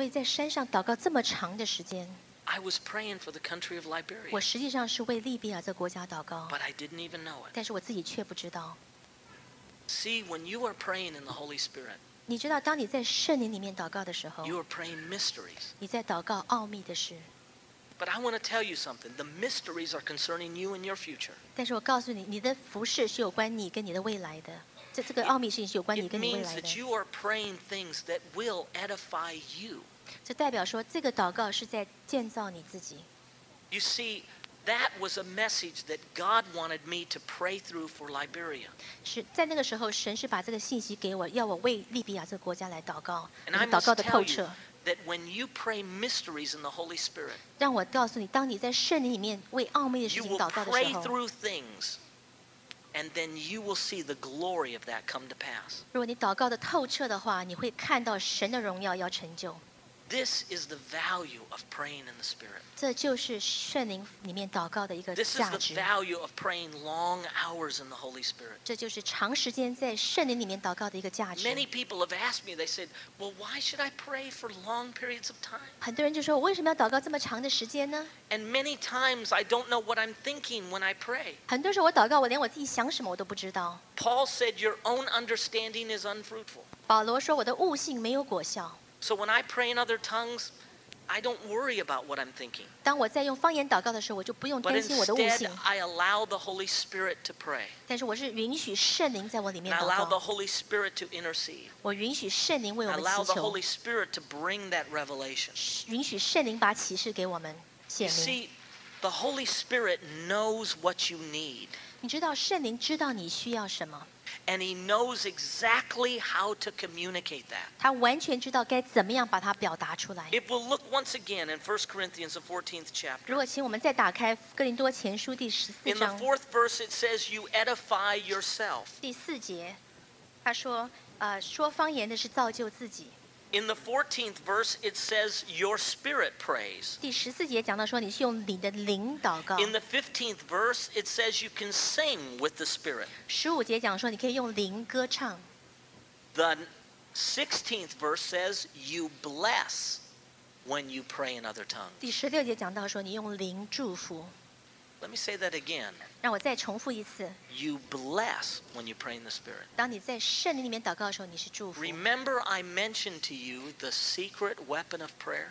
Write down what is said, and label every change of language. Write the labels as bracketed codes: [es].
[zh] 所以在山上祷告这么长的时间。 [en] I was praying for the country of Liberia. [zh] 我实际上是为利比亚这国家祷告。 [en] But I didn't even know it. [zh] 但是我自己却不知道。 [en] See, when you are praying in the Holy Spirit. [zh] 你知道，当你在圣灵里面祷告的时候。 [en] You are praying mysteries. [zh] 你在祷告奥秘的事。 [en] But I want to tell you something. The mysteries are concerning you and your future. [zh] 但是我告诉你，你的服事是有关你跟你的未来的。这个奥秘事情是有关你跟你未来的。 [en] It means that you are praying things that will edify you. [zh] 这代表说，这个祷告是在建造你自己。 [en] You see, that was a message that God wanted me to pray through for Liberia. [zh] 是在那个时候，神是把这个信息给我，要我为利比亚这个国家来祷告。 [en] And I must tell you. That when you pray mysteries in the Holy Spirit, [zh] 让我告诉你，当你在圣灵里面为奥秘的事情祷告的时候 [en] ，you will pray through things, and then you will see the glory of that come to pass. [zh] 如果你祷告的透彻的话，你会看到神的荣耀要成就。 [en] This is the value of praying in the Spirit. [zh] 这就是圣灵里面祷告的一个价值。 [en] This is the value of praying long hours in the Holy Spirit. [zh] 这就是长时间在圣灵里面祷告的一个价值。 [en] Many people have asked me. They said, "Well, why should I pray for long periods of time?" [zh] 很多人就说，为什么要祷告这么长的时间呢？ [en] And many times I don't know what I'm thinking when I pray. [zh] 很多时候我祷告，我连我自己想什么我都不知道。 [en] Paul said, "Your own understanding is unfruitful." [zh] 保罗说，我的悟性没有果效。 [en] So when I pray in other tongues, I don't worry about what I'm thinking. [zh] 当我在用方言祷告的时候，我就不用担心我的悟性。 [en] But instead, I allow the Holy Spirit to pray. [zh] 但是我是允许圣灵在我里面祷告。 [en] I allow the Holy Spirit to intercede. [zh] 我允许圣灵为我们祈求。 [en] I allow the Holy Spirit to bring that revelation. [zh] 允许圣灵把启示给我们显明。 [en] You see, the Holy Spirit knows what you need. [zh] 你知道圣灵知道你需要什么。 [en] And he knows exactly how to communicate that. [zh] 他完全知道该怎么样把它表达出来。 [en] If we'll look once again in 1 Corinthians, the 14th chapter. [zh] 如果请我们再打开哥林多前书第十四章。 [en] In the fourth verse, it says, "You edify yourself." [zh] 第四节，他说，说方言的是造就自己。 [en] In the 14th verse, it says, "Your spirit prays." [zh] 第十四节讲到说，你是用你的灵祷告。 [en] In the 15th verse, it says, "You can sing with the spirit." [zh] 十五节讲说，你可以用灵歌唱。 [en] The 16th verse says, "You bless when you pray in other tongues." [zh] 第十六节讲到说，你用灵祝福。 [en] Let me say that again. [zh] 让我再重复一次。 [en] You bless when you pray in the Spirit. [zh] 当你在圣灵里面祷告的时候，你是祝福。 [en] Remember, I mentioned to you the secret weapon of prayer.